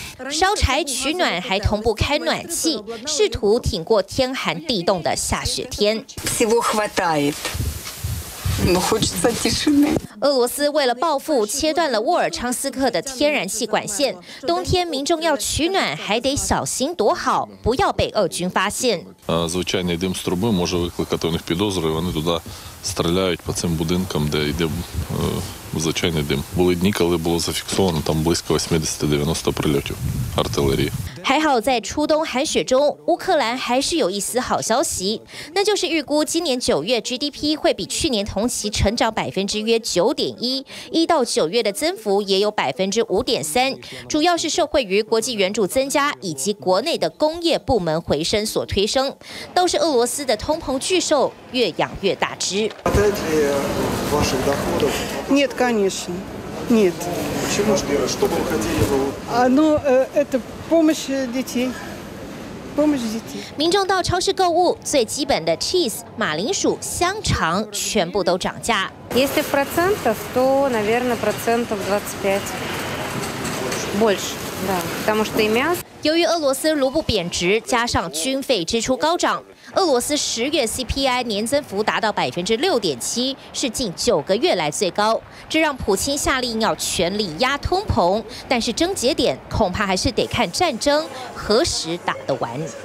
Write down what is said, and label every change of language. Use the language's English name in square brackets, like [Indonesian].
[Chinese] 烧柴取暖，还同步开暖气，试图挺过天寒地冻的下雪天。俄罗斯为了报复，切断了沃尔昌斯克的天然气管线。冬天民众要取暖，还得小心躲好，不要被俄军发现。 [Ukrainian] Звичайний дим з труби може викликати у них підозру, і вони туди стріляють по цим будинкам, де йде звичайний дим. Були дні, коли було зафіксовано там близько 80-90 прильотів артилерії. [Chinese] 还好在初冬寒雪中，乌克兰还是有一丝好消息，那就是预估今年9月 GDP 会比去年同期成长9.1%，1到9月的增幅也有5.3%，主要是受惠于国际援助增加以及国内的工业部门回升所推升。倒是俄罗斯的通膨巨兽越养越大只。 [Russian] Нет, конечно, нет. Почему ж, Вера, что бы вы хотели? Оно это помощь детей. [Chinese] 民众到超市购物，最基本的 cheese、马铃薯、香肠全部都涨价。 [Russian] Если в процентах, то, наверное, процентов 25 больше, да, потому что и мясо. [Chinese] 由于俄罗斯卢布贬值，加上军费支出高涨，俄罗斯十月 CPI 年增幅达到6.7%，是近九个月来最高。这让普京下令要全力压通膨，但是症结点恐怕还是得看战争何时打得完。